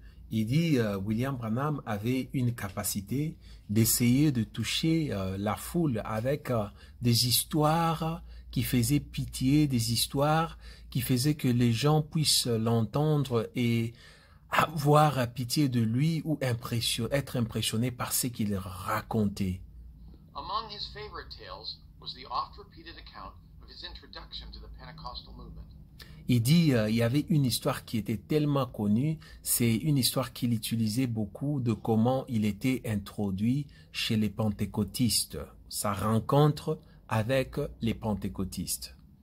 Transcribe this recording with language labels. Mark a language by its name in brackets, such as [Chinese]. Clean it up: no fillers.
[French] Il dit William Branham avait une capacité d'essayer de toucher la foule avec des histoires qui faisaient pitié, des histoires qui faisaient que les gens puissent l'entendre et avoir pitié de lui ou être impressionné par ce qu'il racontait. [English] Among his favorite tales was the oft-repeated account of his introduction to the Pentecostal movement. [French] Il dit il y avait une histoire qui était tellement connue, c'est une histoire qu'il utilisait beaucoup de comment il était introduit chez les pentecôtistes, sa rencontre avec les pentecôtistes.